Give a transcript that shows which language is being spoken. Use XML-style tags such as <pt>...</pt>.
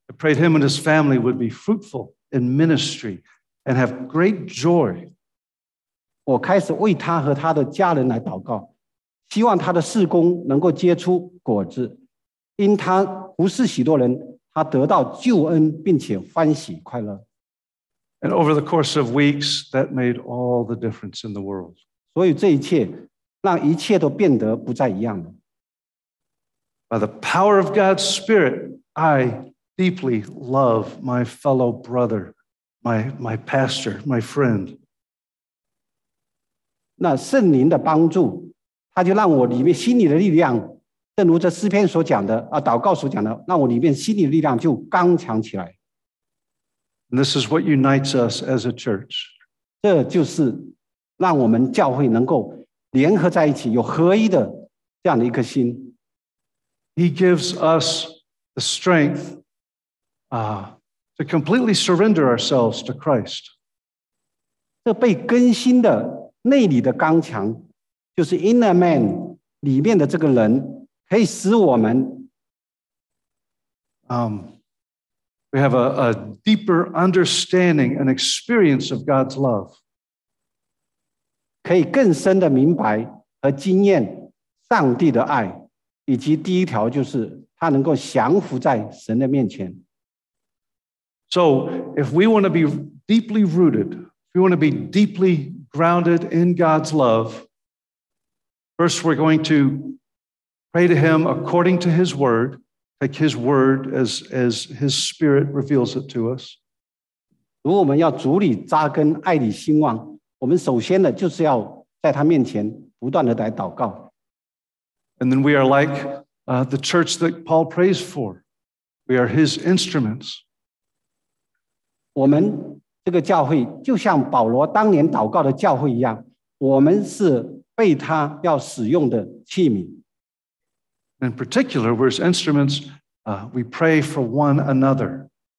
<en>I prayed him and his family would be fruitful in ministry and have great joy.</en> <zh>我开始为他和他的家人来祷告，希望他的事工能够结出果子，因他服侍许多人，他得到救恩，并且欢喜快乐。</zh> <en>And over the course of weeks, that made all the difference in the world.</en> <zh>所以这一切让一切都变得不再一样了。</zh> <en>By the power of God's Spirit, I deeply love my fellow brother, my pastor, my friend.</en> <zh>那圣灵的帮助，他就让我里面心里的力量，正如这诗篇所讲的啊，祷告所讲的，让我里面心里的力量就刚强起来。</zh> <en>And this is what unites us as a church.</en> <zh>这就是让我们教会能够联合在一起，有合一的这样的一颗心。</zh> <en>He gives us the strength to completely surrender ourselves to Christ.</en> <zh>这被更新的内里的刚强，就是</zh> <en>inner man</en> <zh>里面的这个人，可以使我们</zh> <en>we have a deeper understanding and experience of God's love.</en> <zh>可以更深的明白和经验上帝的爱。以及第一条就是他能够降服在神的面前。</zh> <en>So, if we want to be deeply rooted, if we want to be deeply grounded in God's love, first we're going to pray to him according to his word, like his word as his spirit reveals it to us.</en> <zh>如果我们要主里扎根爱里兴旺，我们首先呢就是要在他面前不断的来祷告。</zh> <en>And then we are like the church that Paul prays for. We are his instruments.</en> <zh>我们这个教会就像保罗当年祷告的教会一样，我们是被他要使用的器皿。</zh> <en>In particular, we're his instruments. We pray for one another.</en>